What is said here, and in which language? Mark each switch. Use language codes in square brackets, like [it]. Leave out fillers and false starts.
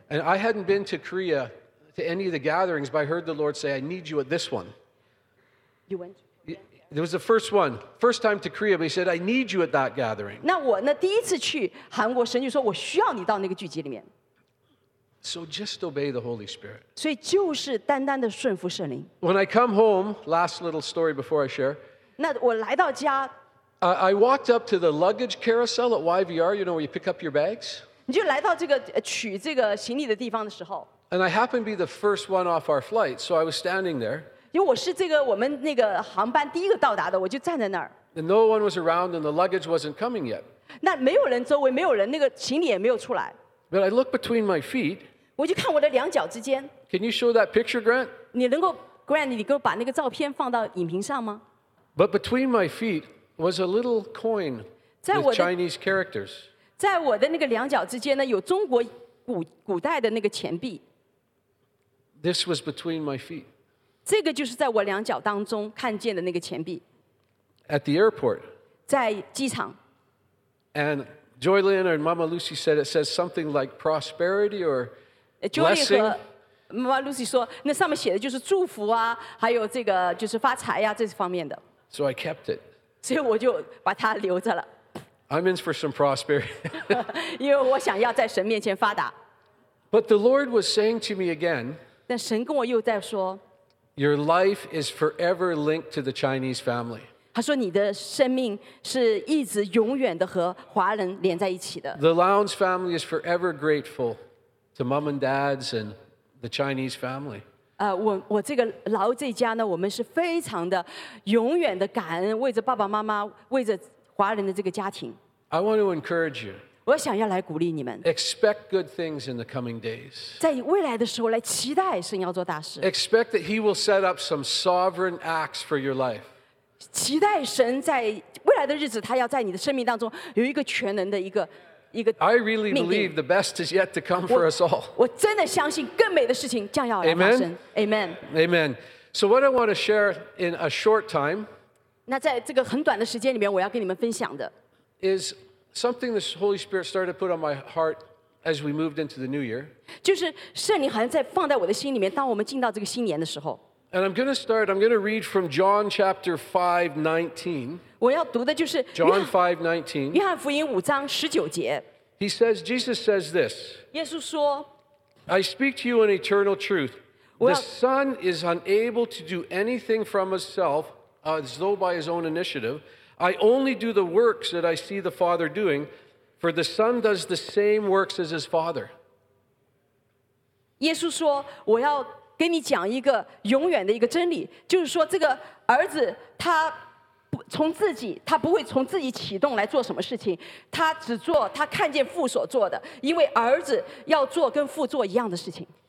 [en] And I hadn't been to Korea to any of the gatherings, but I heard the Lord say, "I need you at this one." You went. It was the first one, first time to Korea, but he said, I need you at that gathering. [zh] 那我那第一次去韩国，神就说我需要你到那个聚集里面。 [en] So just obey the Holy Spirit. [zh] 所以就是单单的顺服圣灵。 [en] When I come home, last little story before I share. [zh] 那我来到家。 [en] I walked up to the luggage carousel at YVR, you know, where you pick up your bags. [zh] 你就来到这个取这个行李的地方的时候。 [en] And I happened to be the first one off our flight, so I was standing there. [zh] 因为我是这个我们那个航班第一个到达的，我就站在那儿。 [en] And no one was around, and the luggage wasn't coming yet. [zh] 那没有人，周围没有人，那个行李也没有出来。 [en] But I look between my feet. [zh] 我就看我的两脚之间。 [en] Can you show that picture, Grant? [zh] 你能够 Grant， 你给我把那个照片放到影屏上吗 [en] ？But between my feet was a little coin with Chinese characters. [zh] 在我的那个两脚之间呢，有中国古代的那个钱币。 [en] This was between my feet. [zh] 这个就是在我两脚当中看见的那个钱币。 [en] At the airport. [zh] 在机场。 [en] And Joy Lynn and Mama Lucy said it says something like prosperity or blessing. [zh] Joy 和 Mama Lucy 说，那上面写的就是祝福啊，还有这个就是发财呀、啊、这方面的。 [en] So I kept it. [zh] 所以我就把它留着了。 [en] I'm in for some prosperity. [zh] 因为我想要在神面前发达。 [en] But the Lord was saying to me again. [zh] 但神跟我又在说。 [en] Your life is forever linked to the Chinese family. [zh] 他说你的生命是一直永远的和华人连在一起的。 [en] The Lowndes family is forever grateful to mom and dads and the Chinese family. [zh] 我这个劳这家呢，我们是非常的永远的感恩，为着爸爸妈妈，为着华人的这个家庭。 [en] I want to encourage you. [zh] 我想要来鼓励你们。 [en] Expect good things in the coming days. [zh] 在未来的时候来期待神要做大事。 [en] Expect that He will set up some sovereign acts for your life. [zh] 期待神在未来的日子，他要在你的生命当中有一个全能的一个命 [en] 令。I really believe the best is yet to come for us all. [zh] 我真的相信更美的事情将要来发生。 [en] Amen. Amen. So what I want to share in a short time. [zh] 那在这个很短的时间里面，我要跟你们分享的 [en] is. Something the Holy Spirit started to put on my heart as we moved into the new year. [zh] 就是圣灵好像在放在我的心里面，当我们进到这个新年的时候。 [en] And I'm going to start. I'm going to read from John chapter 5:19. [zh] 我要读的就是 [en] John 5:19. [zh] 约翰福音五章十九节。 [en] He says, Jesus says this. [zh] 耶稣说 [en] ，I speak to you an eternal truth. The Son is unable to do anything from Himself, as though by His own initiative. I only do the works that I see the Father doing, for the Son does the same works as His Father. [zh] 耶稣说，我要跟你讲一个永远的一个真理，就是说这个儿子他不从自己，他不会从自己启动来做什么事情，他只做他看见父所做的，因为儿子要做跟父做一样的事情。